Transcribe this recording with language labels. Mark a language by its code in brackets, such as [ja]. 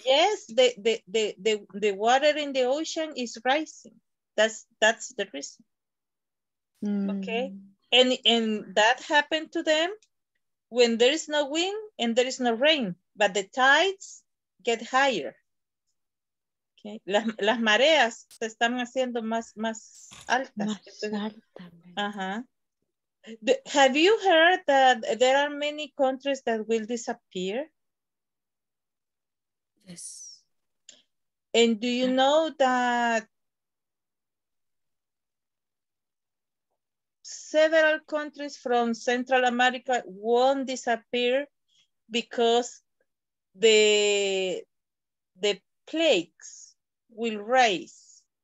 [en] Yes, the water in the ocean is rising. That's the reason. Okay, and that happened to them when there is no wind and there is no rain, but the tides get higher. [es] Okay, las mareas se están haciendo más altas. [en] Have you heard that there are many countries that will disappear? Yes. And do you know that several countries from Central America won't disappear because the plagues will rise?